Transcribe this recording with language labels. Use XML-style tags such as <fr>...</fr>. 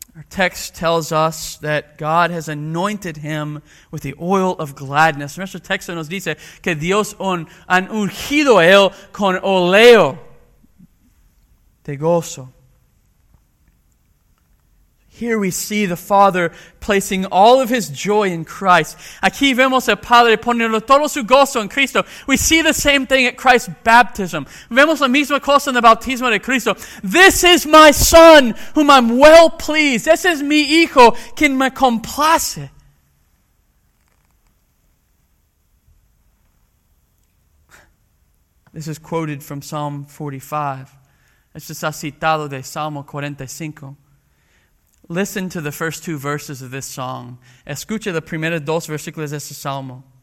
<en>Text tells us that God has anointed him with the oil of gladness.</en> <es>Nuestro texto nos dice que Dios han ungido a él con oleo de gozo.</es> <en>Here we see the Father placing all of his joy in Christ.</en> <es>Aquí vemos al Padre poniendo todo su gozo en Cristo.</es> <en>We see the same thing at Christ's baptism.</en> <es>Vemos la misma cosa en el bautismo de Cristo.</es> <en>This is my Son, whom I'm well pleased. This is</en> <es>mi Hijo, quien me complace.</es> <en>This is quoted from Psalm 45.</en> <es>Esto está citado de Salmo 45.</es> <en>Listen to the first two verses of this song.</en> <es>Escucha los primeros dos versículos de este salmo.</es>